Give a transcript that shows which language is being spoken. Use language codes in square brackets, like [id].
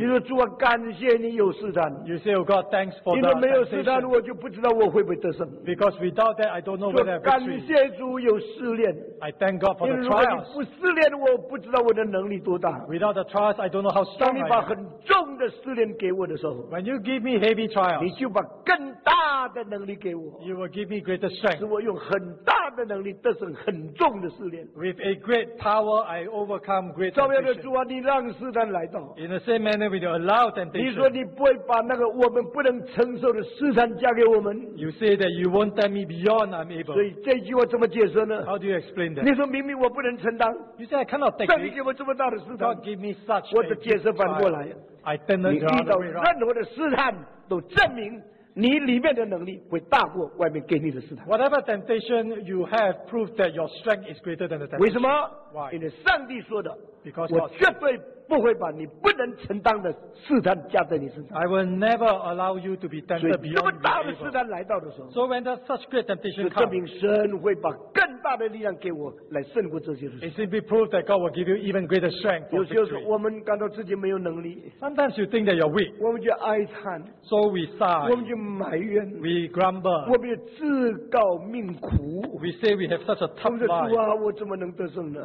[zh] 你说主啊，感谢你有试探。 [en] You say, Oh God, thanks for that. [zh] 因为没有试探，我就不知道我会不会得胜。 [en] Because without that, I don't know whether I have victory. [zh] 感谢主有试炼。 [en] I thank God for the trials. [zh] 因为如果你不试炼，我不知道我的能力多大。 [en] Without the trials, I don't know how strong I am. [zh] 当你把很重的试炼给我的时候， [en] When you give me heavy trials, [zh] 你就把更大的能力给我。 [en] You will give me greater strength. [zh] 使我用很大的能力得胜很重的试炼。 [en] With a great power, I overcome great temptation. [zh] 照样的主啊，你让试炼来到。 [en] In the same manner, we allow temptation. [zh] 你说你不会把那个我们不能承受的试炼加给我们。 [en] You say that you won't tempt me beyond I'm able. [zh] 所以这句话怎么解释呢？ [en] How do you explain that? [zh] 你说明明我不能承担。 [en] You say I cannot take it. [zh] 上帝给我这么大的试炼。 [en] God give me such. [zh] 我的解释反过来。 [en] I turn it around. [zh] 你遇到任何的试炼，都证明你里面的能力会大过外面给你的试探。 [en] Whatever temptation you have proved that your strength is greater than the temptation. [zh] 为什么？ [en] Why? [zh] 因为上帝说的。 [en] Because God. [zh] 我绝对不会把你不能承担的试探加在你身上。 [en] I will never allow you to be tempted beyond your ability. [zh] 所以这么大的试探来到的时候。 [en] So when such great temptation comes. [zh] 就证明神会把更大的力量给我来胜过这些事情。 [en] It simply proves that God will give you even greater strength for victory. [zh] 有时候我们感到自己没有能力。 [en] Sometimes you think that you're weak. [zh] 我们就哀叹。 [en] So we sigh. [zh] 我们就埋怨。 [en] We grumble. [zh] 我们就自告命苦。 [en] We say we have such a tough life. [zh] 我们说主啊，我怎么能得胜呢？